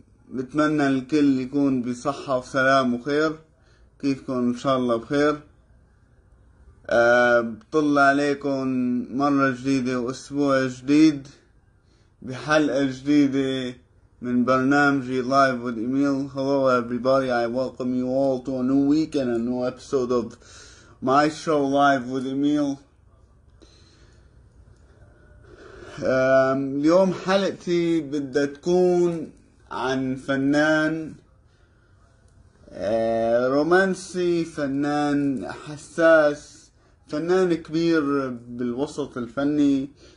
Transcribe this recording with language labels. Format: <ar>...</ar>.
<ar>بتمنى الكل يكون بصحة وسلام وخير. كيفكم؟ ان شاء الله بخير. بطل عليكم مرة جديدة واسبوع جديد بحلقة جديدة من برنامجي لايف ود ايميل.</ar> <en>Hello everybody, I welcome you all to a new week and a new episode of my show live with Emil.</en> <ar>اليوم حلقتي بدها تكون عن فنان رومانسي, فنان حساس, فنان كبير بالوسط الفني.</ar>